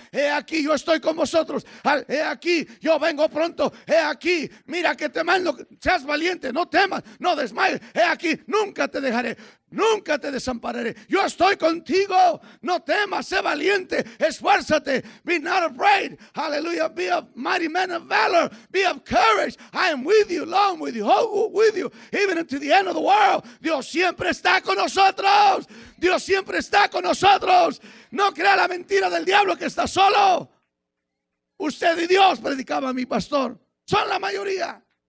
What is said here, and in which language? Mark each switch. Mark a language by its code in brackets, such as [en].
[es] He aquí, yo estoy con vosotros. He aquí, yo vengo pronto. He aquí, mira que te mando, seas valiente, no temas, no desmayes. He aquí, nunca te dejaré, nunca te desampararé. Yo estoy contigo. No temas, sé valiente, esfuérzate. [en] Be not afraid. Hallelujah. Be a mighty man of valor. Be of courage. I am with you, long with you, with you, even until the end of the world. [es] Dios siempre está con nosotros. Dios siempre está con nosotros. No crea la mentira del diablo que está solo. Usted y Dios, predicaba mi pastor, son la mayoría.